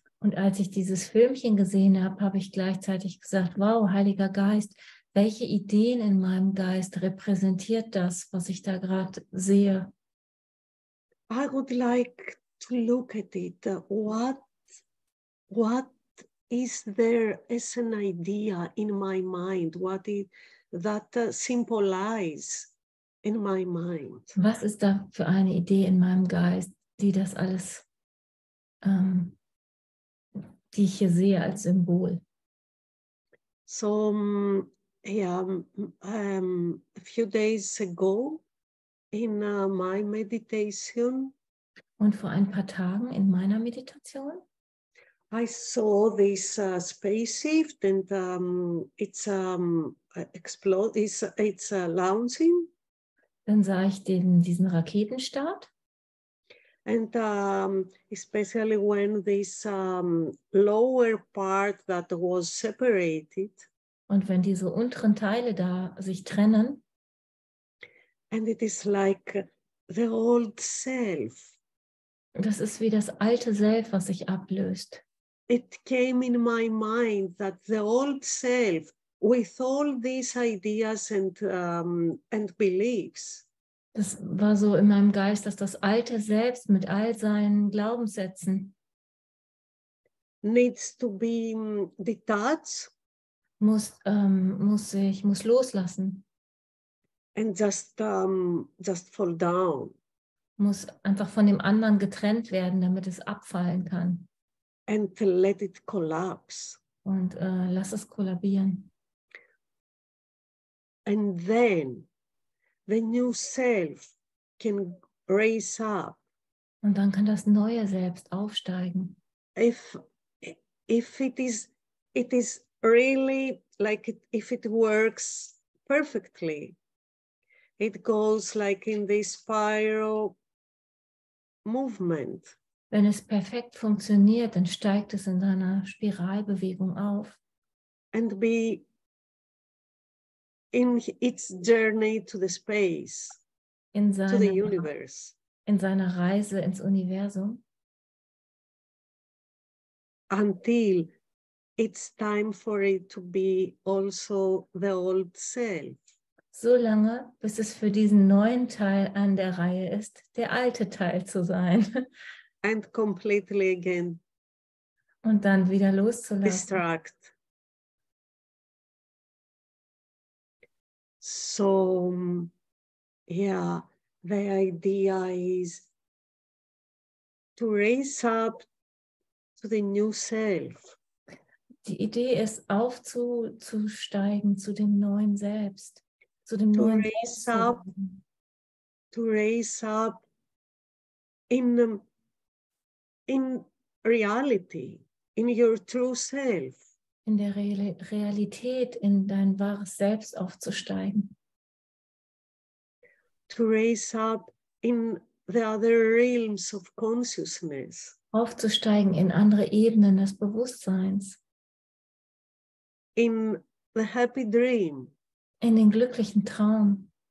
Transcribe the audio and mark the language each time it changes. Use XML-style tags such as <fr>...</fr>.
<de>Und als ich dieses Filmchen gesehen habe, habe ich gleichzeitig gesagt, wow, Heiliger Geist, welche Ideen in meinem Geist repräsentiert das, was ich da gerade sehe?</de> <en>I would like to look at it. What is there as an idea in my mind? What is that symbolize in my mind?</en> <de>Was ist da für eine Idee in meinem Geist, die das alles, die ich hier sehe als Symbol?</de> <en>So, a few days ago in my meditation.</en> <de>Und vor ein paar Tagen in meiner Meditation?</de> <en>I saw this spaceship and it's launching.</en> <de>Dann sah ich diesen Raketenstart.</de> <en>And especially when this lower part that was separated.</en> <de>Und wenn diese unteren Teile da sich trennen.</de> <en>And it is like the old self.</en> <de>Das ist wie das alte Self, was sich ablöst.</de> <en>It came in my mind that the old self with all these ideas and beliefs.</en> <de>Das war so in meinem Geist, dass das alte Selbst mit all seinen Glaubenssätzen</de> <en>needs to be detached.</en> <de>Muss loslassen.</de> <en>And just fall down.</en> <de>Muss einfach von dem anderen getrennt werden, damit es abfallen kann.</de> <en>And let it collapse.</en> <de>Und lass es kollabieren.</de> <en>And then the new self can raise up.</en> <de>Und dann kann das neue Selbst aufsteigen.</de> <en>If it is really like it, if it works perfectly, it goes like in this spiral. Movement.</en> <de>Wenn es perfekt funktioniert, dann steigt es in einer Spiralbewegung auf.</de> <en>And be in its journey to the space.</en> <de>in seiner Reise ins Universum.</de> <en>Until it's time for it to be also the old self.</en> <de>So lange, bis es für diesen neuen Teil an der Reihe ist, der alte Teil zu sein.</de> <en>And completely again.</en> <de>Und dann wieder loszulassen.</de> <en>Distract. So, yeah, the idea is to raise up to the new self.</en> <de>Die Idee ist, aufzusteigen zu dem neuen Selbst, zu dem</de> <en>to</en> <de>neuen</de> <en>raise</en> <de>Selbst.</de> <en>Up, to raise up in reality, in your true self.</en> <de>In der Realität, in dein wahres Selbst aufzusteigen.</de> <en>To raise up in the other realms of consciousness.</en> <de>Aufzusteigen in andere Ebenen des Bewusstseins.</de> <en>In the happy dream.</en> <de>In den glücklichen Traum.</de>